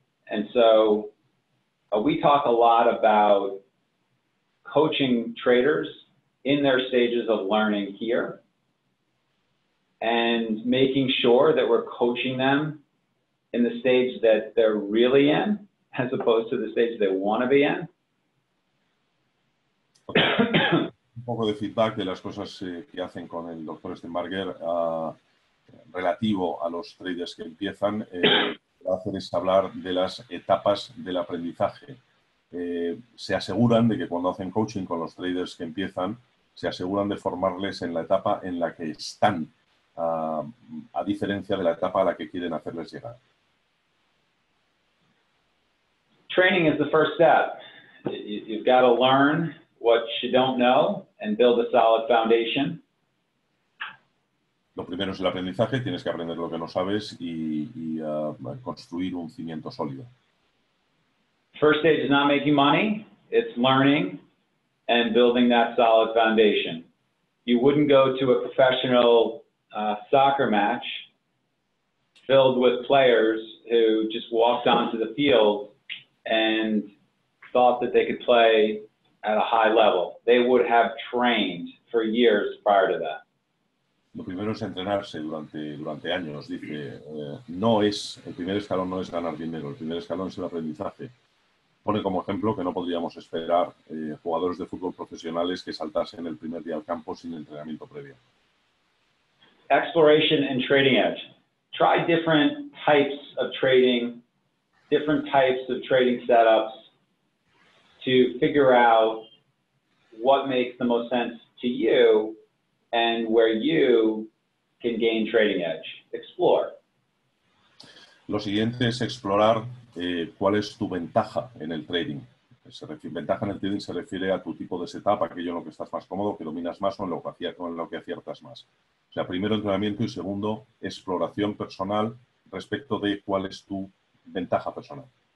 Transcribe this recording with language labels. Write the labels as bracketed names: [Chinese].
[English] And so we talk a lot about coaching traders in their stages of learning here and making sure that we're coaching them in the stage that they're really in as opposed to the stage they want to be in. [Spanish] Un poco de feedback de las cosas que hacen con el Dr. Steenbarger relativo a los traders que empiezan. Lo hacen es hablar de las etapas del aprendizaje. Se aseguran de que cuando hacen coaching con los traders que empiezan, se aseguran de formarles en la etapa en la que están, a diferencia de la etapa a la que quieren hacerles llegar. [English] Training is the first step. You've got to learn what you don't know and build a solid foundation. [Spanish] Lo primero es el aprendizaje, tienes que aprender lo que no sabes y construir un cimiento sólido. [English] First stage is not making money, it's learning and building that solid foundation. You wouldn't go to a professional soccer match filled with players who just walked onto the field and thought that they could play at a high level. They would have trained for years prior to that. [Spanish] Lo primero es entrenarse durante años, dice. No es, el primer escalón no es ganar dinero, el primer escalón es el aprendizaje. Pone como ejemplo que no podríamos esperar jugadores de fútbol profesionales que saltasen el primer día al campo sin entrenamiento previo. [English] Exploration and trading edge. Try different types of trading, different types of trading setups to figure out what makes the most sense to you and where you can gain trading edge. Explore. [Spanish] Lo siguiente es explorar cuál es tu ventaja en el trading. Ventaja en el trading se refiere a tu tipo de setup, aquello en lo que estás más cómodo, que dominas más o en lo que aciertas más. O sea, primero entrenamiento y segundo, exploración personal respecto de cuál es tu ventaja personal.